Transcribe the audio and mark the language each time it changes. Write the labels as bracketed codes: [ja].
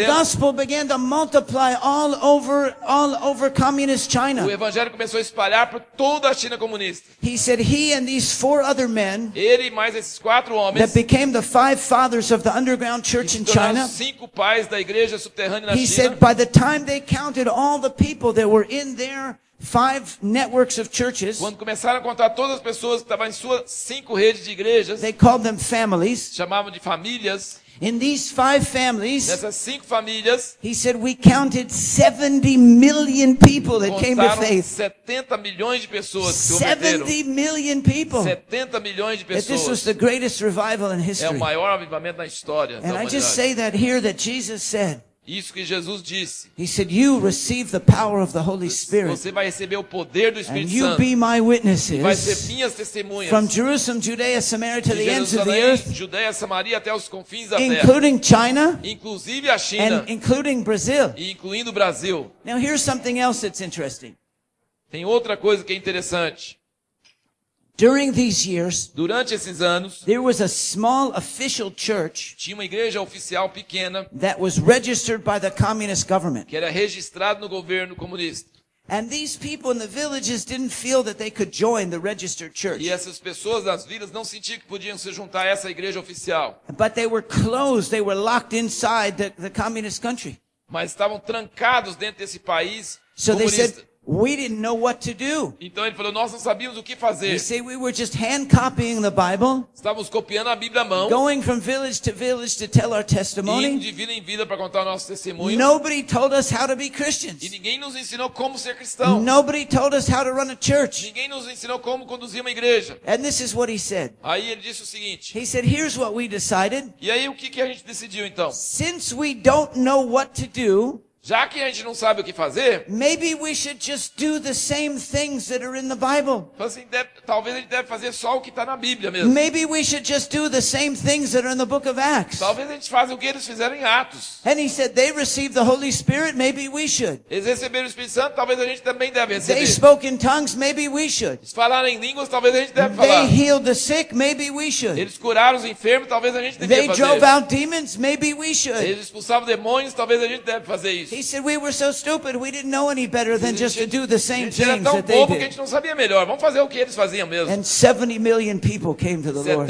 [en] the gospel began to multiply all over communist China. [pt] O evangelho começou a espalhar por toda a China comunista. [en] He said he and these four other men, [pt] ele e mais esses quatro homens, [en] that became the five fathers of the underground church in China. [pt] Cinco pais da igreja subterrânea na China. [en] He said by the time they counted all the people that were in there. Five networks of churches. [pt] Quando começaram a contar todas as pessoas que estavam em suas cinco redes de igrejas, [en] they called them families. [pt] Chamavam de famílias. [en] In these five families, [pt] nessas cinco famílias, [en] he said we counted 70 million people that came to faith. [pt] 70 milhões de pessoas que converteram. [en] 70 million people. [pt] 70 milhões de pessoas. [en] This was the greatest revival in history. [pt] É o maior avivamento na história. [en] And I just say that here that Jesus said. [pt] Isso que Jesus disse. [en] He said, "You receive the power of the Holy Spirit." [pt] Você vai receber o poder do Espírito [en] and you [pt] Santo. [en] Be my witnesses. [pt] E vai ser minhas testemunhas. [en] From Jerusalem, Judea, Samaria, to [pt] de [en] the ends of the earth. [pt] Judeia, Samaria, até os confins da terra. [en] Including China. [pt] Inclusive a China. [en] And including Brazil. [pt] E incluindo o Brasil. [en] Now here's something else that's interesting. [pt] Tem outra coisa que é interessante. [en] During these years, [pt] durante esses anos, [en] there was a small official church, [pt] tinha uma igreja oficial pequena, [en] that was registered by the communist government, [pt] que era registrado no governo comunista. [en] And these people in the villages didn't feel that they could join the registered church. [pt] E essas pessoas das vilas não sentiam que podiam se juntar a essa igreja oficial. [en] But they were closed, they were locked inside the communist country. [pt] Mas estavam trancados dentro desse país comunista. [en] So they said, we didn't know what to do. [pt] Então ele falou, nós não sabíamos o que fazer. [en] You see, we were just hand copying the Bible. [pt] Estávamos copiando a Bíblia à mão. [en] Going from village to village to tell our testimony. [pt] Indo de vila em vila para contar o nosso testemunho. [en] Nobody told us how to be Christians. [pt] E ninguém nos ensinou como ser cristão. [en] Nobody told us how to run a church. [pt] Ninguém nos ensinou como conduzir uma igreja. [en] And this is what he said. [pt] Aí ele disse o seguinte. [en] He said, here's what we decided. [pt] E aí o que que a gente decidiu então? [en] Since we don't know what to do, [pt] já que a gente não sabe o que fazer, [en] maybe we should just do the same things that are in the Bible. [pt] Assim, talvez a gente deve fazer só o que está na Bíblia mesmo. [en] Maybe we should just do the same things that are in the book of Acts. [pt] Talvez a gente faça o que eles fizeram em Atos. [en] And he said they received the Holy Spirit, maybe we should. [pt] Eles receberam o Espírito Santo, talvez a gente também deve receber. [en] They spoke in tongues, maybe we should. [pt] Eles falaram em línguas, talvez a gente deve falar. [en] They healed the sick, maybe we should. [pt] Eles curaram os enfermos, talvez a gente deve [en] they [pt] fazer. [en] They drove out demons, maybe we should. [pt] Eles expulsavam demônios, talvez a gente deve fazer isso. [en] He said we were so stupid we didn't know any better than just to do the same things that they did. [pt] Era tão bobo que a gente não sabia melhor. Vamos fazer o que eles faziam mesmo. [en] And 70 million people came to the Lord.